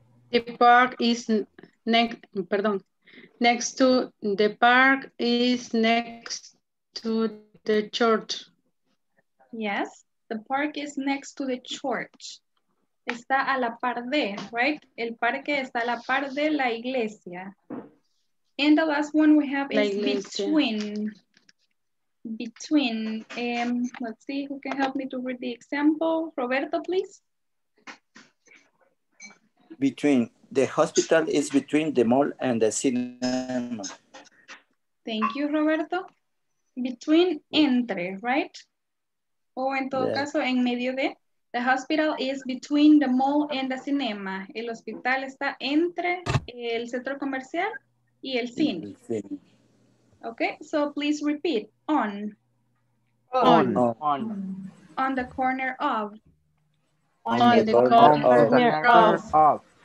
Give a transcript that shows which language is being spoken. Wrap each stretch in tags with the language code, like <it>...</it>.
<en>The park is next, perdón. Next to the park is next to the church. Yes, the park is next to the church.</en> <es>Está a la par de, right? El parque está a la par de la iglesia.</es> <en>And the last one we have is between. Between. Let's see who can help me to read the example. Roberto, please. Between. The hospital is between the mall and the cinema. Thank you, Roberto. Between,</en> <es>entre, right? O en todo yeah. caso, en medio de.</es> <en>The hospital is between the mall and the cinema.</en> <es>El hospital está entre el centro comercial y el cine.</es> <en>Okay, so please repeat. On. On. On. On the corner of. On the corner of.</en>